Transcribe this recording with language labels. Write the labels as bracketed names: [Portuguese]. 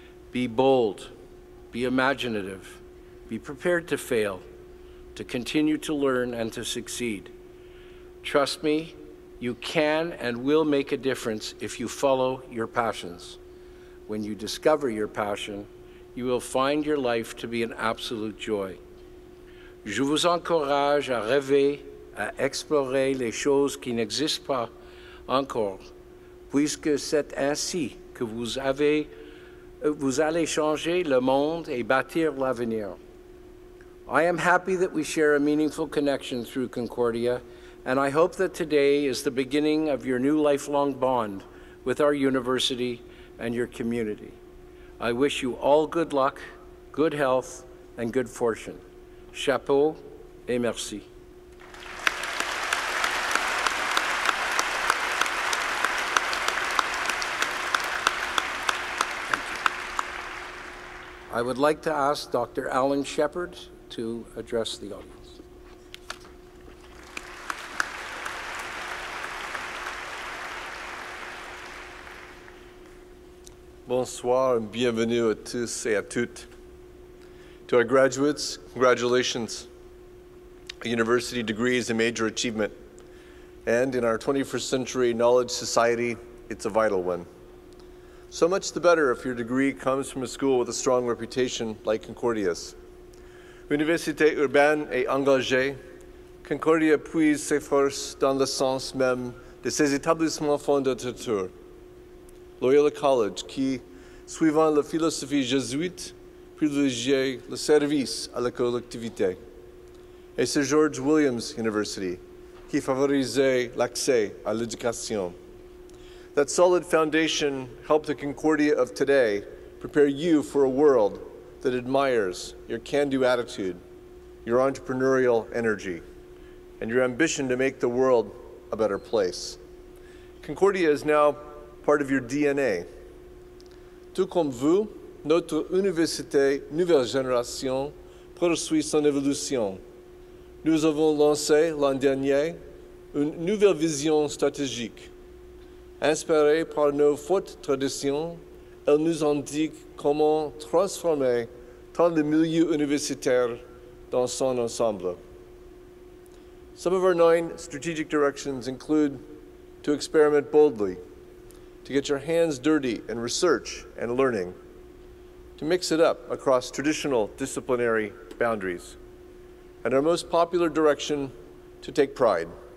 [English] Be bold, be imaginative, be prepared to fail, to continue to learn and to succeed. Trust me, you can and will make a difference if you follow your passions. When you discover your passion, you will find your life to be an absolute joy. [French] Je vous encourage à rêver, à explorer les choses qui n'existent pas encore, puisque c'est ainsi que vous allez changer le monde et bâtir l'avenir. [English] I am happy that we share a meaningful connection through Concordia, and I hope that today is the beginning of your new lifelong bond with our university and your community. I wish you all good luck, good health, and good fortune. [French] Chapeau et merci. [English] I would like to ask Dr. Alan Shepard to address the audience. [French] Bonsoir, bienvenue à tous et à toutes. [English] To our graduates, congratulations. A university degree is a major achievement, and in our 21st century knowledge society, it's a vital one. So much the better if your degree comes from a school with a strong reputation like Concordia's. [French] Université urbaine et engagée, Concordia puise ses forces dans le sens même de ses établissements fondateurs. Loyola College, qui, suivant la philosophie jésuite, privilégie le service à la collectivité. Et c'est George Williams University, qui favorisait l'accès à l'éducation. [English] That solid foundation helped the Concordia of today prepare you for a world that admires your can-do attitude, your entrepreneurial energy, and your ambition to make the world a better place. Concordia is now part of your DNA. [French] Tout comme vous, notre université nouvelle génération poursuit son évolution. Nous avons lancé l'an dernier une nouvelle vision stratégique. Inspirée par nos fortes traditions, elle nous indique comment transformer tant le milieu universitaire dans son ensemble. [English] Some of our 9 strategic directions include to experiment boldly, to get your hands dirty in research and learning, to mix it up across traditional disciplinary boundaries, and our most popular direction, to take pride.